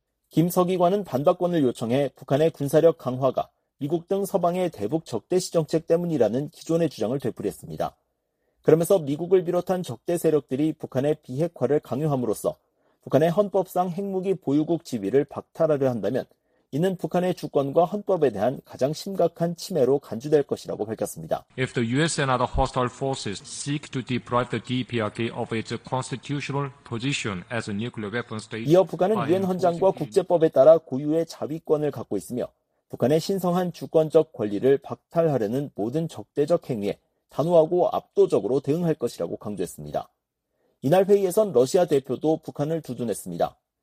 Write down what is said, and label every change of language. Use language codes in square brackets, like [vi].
[ko] 김 서기관은 반박권을 요청해 북한의 군사력 강화가 미국 등 서방의 대북 적대시 정책 때문이라는 기존의 주장을 되풀이했습니다. 그러면서 미국을 비롯한 적대 세력들이 북한의 비핵화를 강요함으로써 북한의 헌법상 핵무기 보유국 지위를 박탈하려 한다면 이는 북한의 주권과 헌법에 대한 가장 심각한 침해로 간주될 것이라고 밝혔습니다. [en] If the US and other hostile forces seek to deprive the DPRK of its constitutional position as a nuclear weapon state. [ko] 이어 북한은 유엔 헌장과 국제법에 따라 고유의 자위권을 갖고 있으며 북한의 신성한 주권적 권리를 박탈하려는 모든 적대적 행위에 단호하고 압도적으로 대응할 것이라고 강조했습니다. 이날 회의에선 러시아 대표도 북한을 두둔했습니다.